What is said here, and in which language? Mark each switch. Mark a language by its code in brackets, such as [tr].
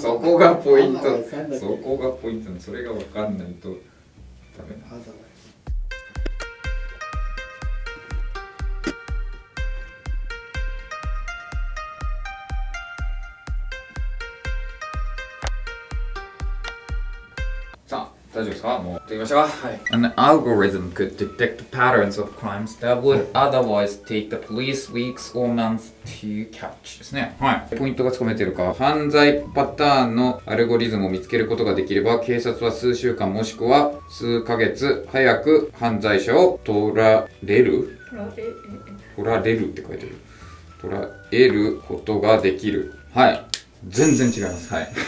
[ja] そこがポイント。そこがポイントの、それが分かんないとダメなんです。大丈夫ですか、もう行ってみましょう。はい。 [en] An algorithm could detect patterns of crimes that would otherwise take the police weeks or months to catch [ja] ですね。はい。ポイントがつかめてるか。犯罪パターンのアルゴリズムを見つけることができれば、警察は数週間もしくは数ヶ月早く犯罪者を取られる。取られるって書いてる。取られることができる。はい。全然違います。はい。